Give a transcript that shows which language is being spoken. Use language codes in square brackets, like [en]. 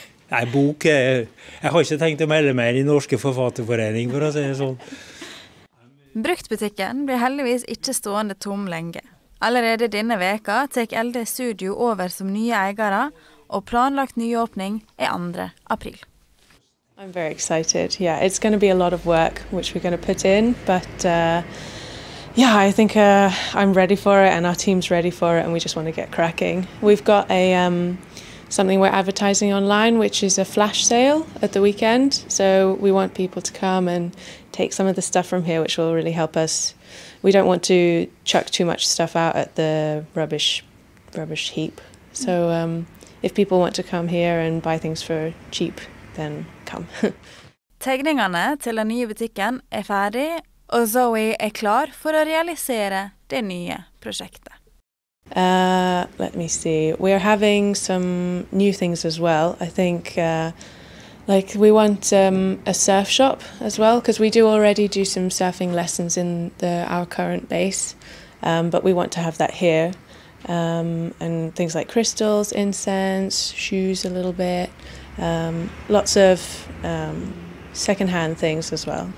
[no] Nei, bok, jeg har ikke tenkt å melde meg i Norske Forfatterforening, for å si det sånn. Bruktbutikken blir heldigvis ikke stående tom lenge. Allerede denne veka tek LD Studio over som nye eiere, og planlagt nyåpning er 2. april. [en] I'm very excited. Yeah, it's going to be a lot of work which we're going to put in, but yeah, I think I'm ready for it and our team's ready for it and we just want to get cracking. We've got a something we're advertising online which is a flash sale at the weekend, so we want people to come and take some of the stuff from here which will really help us. We don't want to chuck too much stuff out at the rubbish heap. So if people want to come here and buy things for cheap, then come. [no] Tegningene til den nye butikken er ferdig, og Zoe er klar for å realisere det nye prosjektet. [en] Let me see. We're having some new things as well. I think Like, we want a surf shop as well, because we do already do some surfing lessons in our current base, but we want to have that here. And things like crystals, incense, shoes a little bit, lots of secondhand things as well.